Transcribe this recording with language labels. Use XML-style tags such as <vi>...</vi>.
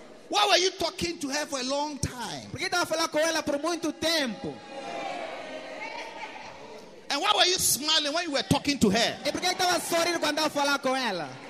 <en>Why were you talking to her for a long time?</en> <pt>Porque estava a falar com ela por muito tempo.</pt> <en>And why were you smiling when you were talking to her?</en> <pt>E porque estava sorrindo quando estava a falar com ela?</pt>